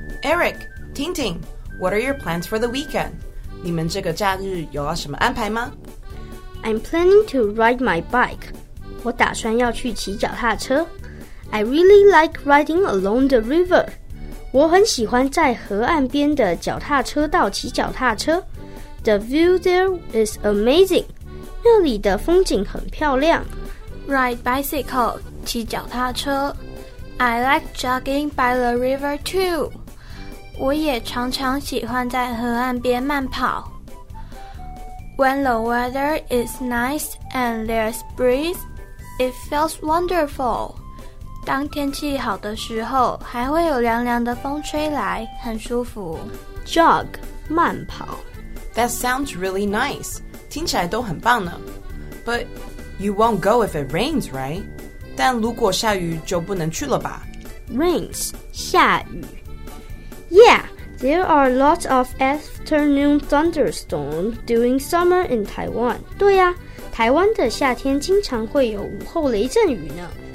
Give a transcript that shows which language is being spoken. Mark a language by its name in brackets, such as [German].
[English] Eric， Ting Ting， What are your plans for the weekend？ [Chinese] 你们这个假日有什么安排吗 [English] ？I'm planning to ride my bike。 [Chinese] 我打算要去骑脚踏车。 [English] I really like riding along the river. [Chinese] 我很喜欢在河岸边的脚踏车道骑脚踏车。 [English] The view there is amazing. [Chinese] 那里的风景很漂亮。 [English] Ride bicycle, 骑脚踏车。I like jogging by the river too. [Chinese] 我也常常喜欢在河岸边慢跑。 [English] When the weather is nice and there's breeze,It feels wonderful. [Chinese] 当天气好的时候，还会有凉凉的风吹来，很舒服。 Jog, 慢跑。 [English] That sounds really nice. [Chinese] 听起来都很棒呢。 [English] But you won't go if it rains, right? [Chinese] 但如果下雨就不能去了吧 [English] ？Rains, 下雨。Yeah, there are lots of afternoon thunderstorms during summer in Taiwan. [Chinese] 对呀。台湾的夏天经常会有午后雷阵雨呢。